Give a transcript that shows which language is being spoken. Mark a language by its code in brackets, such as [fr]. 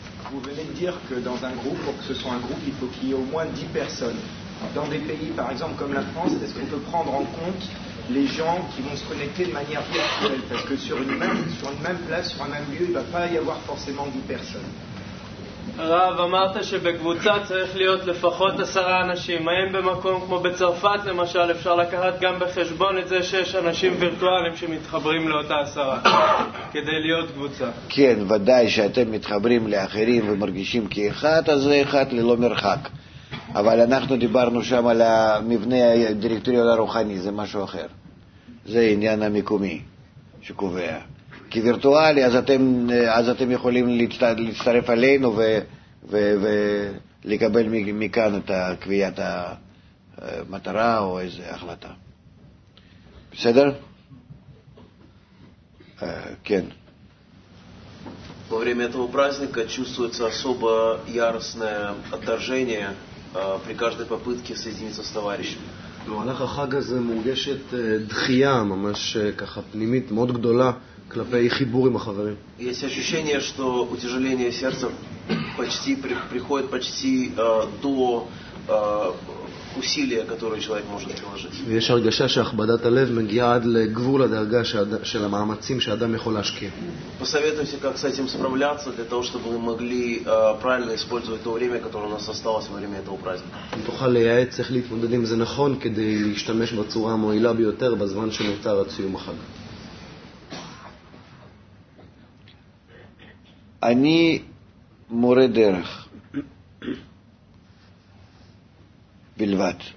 [fr] Vous venez de dire que dans un groupe, pour que ce soit un groupe, il faut qu'il y ait au moins 10 personnes. Dans des pays, par exemple, comme la France, est-ce qu'on peut prendre en compte les gens qui vont se connecter de manière virtuelle? Parce que sur une même place, sur un même lieu, il ne va pas y avoir forcément 10 personnes. [he] רב, אמרת שבקבוצה צריך להיות לפחות 10 אנשים. האם במקום כמו בצרפת למשל אפשר לקחת גם בחשבון את זה שיש אנשים וירטואליים שמתחברים לאותה 10 כדי להיות קבוצה? כן, ודאי שאתם מתחברים לאחרים ומרגישים כאחד, אז זה אחד ללא מרחק. אבל אנחנו דיברנו שם על המבנה הדירקטוריון הרוחני, זה משהו אחר. זה עניין המקומי שקובע. כי וירטואלי, אז אתם יכולים להצטרף אלינו ולקבל מכאן את קביעת המטרה או איזו החלטה. בסדר? כן. [ru] Во время этого праздника чувствуется особо яростное отторжение при каждой попытке соединиться с товарищем. [he] במהלך החג הזה מורגשת דחייה ממש ככה פנימית מאוד גדולה כלפי חיבור עם החברים. [ru] Есть ощущение, что утяжеление сердца почти приходит почти до усилия, которое человек может приложить. [he] יש הרגשה שהכבדת הלב מגיעה עד לגבול הדרגה של המאמצים שאדם יכול להשקיע. [ru] Посоветуйте, как с этим справляться для того, чтобы мы могли правильно использовать то время, которое у нас осталось во время этого праздника. [he] תוכל לייעץ איך להתמודד עם זה נכון כדי להשתמש בצורה המועילה ביותר בזמן שנותר עד סיום החג. אני מורה דרך בלבד.